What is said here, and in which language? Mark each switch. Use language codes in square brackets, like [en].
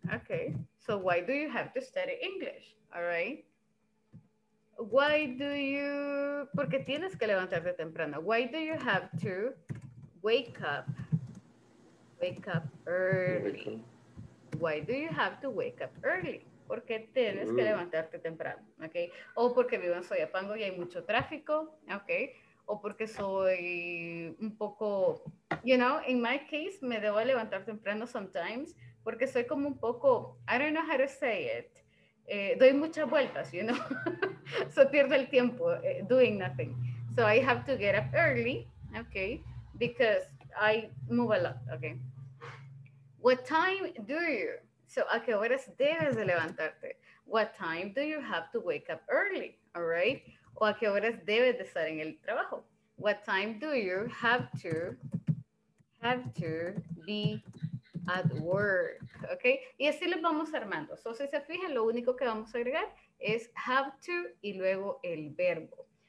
[en] Okay, so why do you have to study English? All right. Why do you, [es] porque tienes que levantarte temprano. [en] Why do you have to wake up early? Why do you have to wake up early? [es] Porque tienes que levantarte temprano, okay? O porque vivo en Soyapango y hay mucho tráfico, okay? O porque soy un poco, [en] you know, in my case, [es] me debo levantar temprano [en] sometimes, [es] porque soy como un poco, [en] I don't know how to say it, [es] doy muchas vueltas, [en] you know? So [es] pierdo el tiempo [en] doing nothing. So I have to get up early, okay? Because I move a lot, okay? What time do you? [es] So, ¿a qué horas debes de levantarte? [en] What time do you have to wake up early, all right? [es] ¿O a qué horas debes de estar en el trabajo? [en] What time do you have to be at work, okay? [es] Y así lo vamos armando. So, si se fijan, lo único que vamos a agregar es have to y luego el verbo.